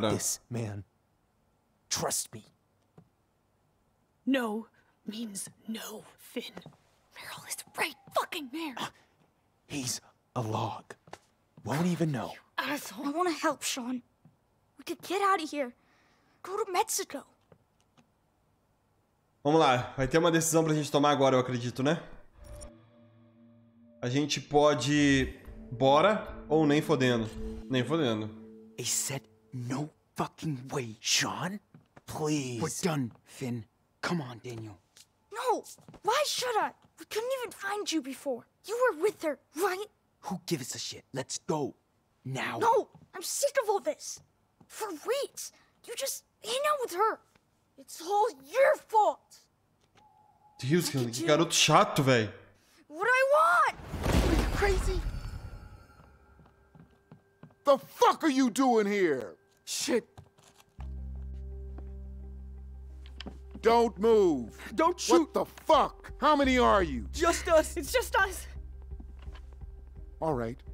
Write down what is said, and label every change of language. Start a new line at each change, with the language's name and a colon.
English: Got this, man. Trust me. No means no, Finn. Meryl is right fucking there. He's a log. Won't even know. You asshole. I want to help, Sean. We could get out of here. Go to Mexico.
Portuguese: Vamos lá, vai ter uma decisão pra gente tomar agora, eu acredito, né? A gente pode bora ou nem fodendo. Nem fodendo.
English: He said no fucking way, Sean. Please. We're done, Finn. Come on, Daniel. No! Why should I? We couldn't even find you before. You were with her, right? Who gives a shit? Let's go. Now. No! I'm sick of all this. For weeks, you just hang out with her. It's all your fault.
Portuguese: Deus, que garoto chato, velho.
English: What do I want? Are you crazy? The fuck are you doing here? Shit. Don't move. Don't shoot. What the fuck? How many are you? Just us. It's just us. All right.